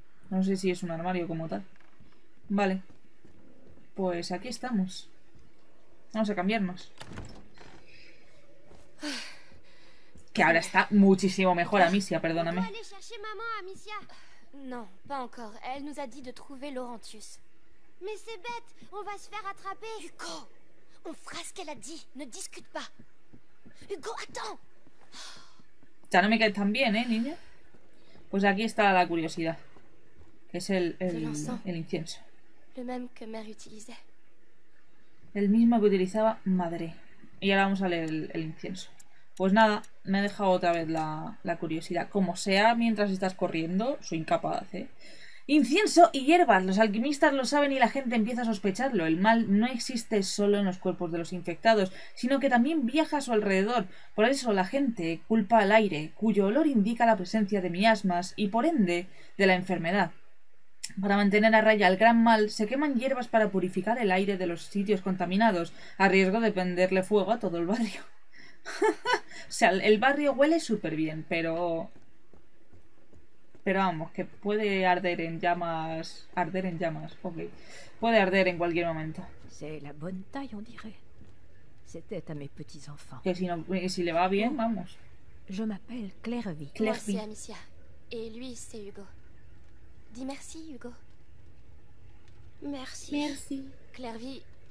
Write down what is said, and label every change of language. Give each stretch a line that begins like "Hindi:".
Spanish: No sé si es un armario como tal. Vale. Pues aquí estamos. Vamos a cambiarnos. Que ahora está muchísimo mejor, Amicia, perdóname. ¿Puedo ir a buscar a mamá, Amicia?
French: No, pas encore. Elle nous a dit de trouver Laurentius. Mais c'est bête, on va se faire attraper. Hugo, on fera ce qu'elle a dit, ne discute pas. Hugo, attends.
Spanish: Ya no me caes tan bien, niña. Pues aquí está la curiosidad. Es el incienso.
French: Le même que mère utilisait.
Spanish: El mismo que utilizaba madre. Y ahora vamos a leer el incienso. Pues nada, me he dejado otra vez la curiosidad. Como sea, mientras estás corriendo, soy incapaz, Incienso y hierbas, los alquimistas lo saben y la gente empieza a sospecharlo. El mal no existe solo en los cuerpos de los infectados, sino que también viaja a su alrededor. Por eso la gente culpa al aire, cuyo olor indica la presencia de miasmas y, por ende, de la enfermedad. Para mantener a raya al gran mal, se queman hierbas para purificar el aire de los sitios contaminados, a riesgo de prenderle fuego a todo el barrio. O sea, el barrio huele súper bien, pero vamos, que puede arder en llamas. Arder en llamas, ok. Puede arder en cualquier momento.
French: C'est la bonne taille, on dirait. C'était à mes petits enfants.
Spanish: Que si, no, si le va bien, vamos.
French: Je m'appelle Clairvy. Merci, Amicia. Et lui, c'est Hugo. Dis merci, Hugo. Merci. Merci. Clairvy.